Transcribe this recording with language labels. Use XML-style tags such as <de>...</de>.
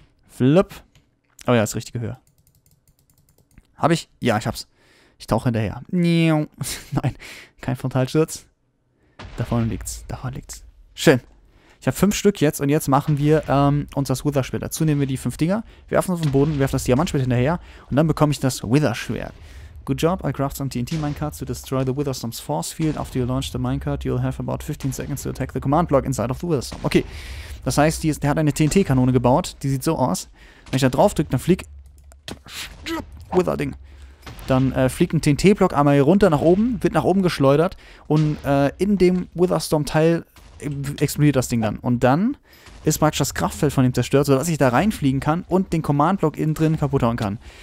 <de>Flip. Oh ja, ist richtige Höhe. Hab ich? Ja, ich hab's. Ich tauche hinterher. Nein, kein Frontalsturz. Da vorne liegt's. Schön. Ich habe 5 Stück jetzt und jetzt machen wir uns das Wither-Schwert. Dazu nehmen wir die 5 Dinger, werfen es auf den Boden, werfen das Diamantschwert hinterher und dann bekomme ich das Wither-Schwert.</de> <en>Good job, I craft some TNT minecarts to destroy the Witherstorm's force field. After you launch the minecart, you'll have about 15 seconds to attack the command block inside of the Witherstorm.</en> <de>Okay, das heißt, der hat eine TNT-Kanone gebaut, die sieht so aus. Wenn ich da drauf drücke, dann fliegt... Wither-Ding. Dann fliegt ein TNT-Block einmal hier runter nach oben, wird nach oben geschleudert und in dem Witherstorm-Teil explodiert das Ding dann. Und dann ist praktisch das Kraftfeld von ihm zerstört, sodass ich da reinfliegen kann und den Command-Block innen drin kaputt hauen kann.</de>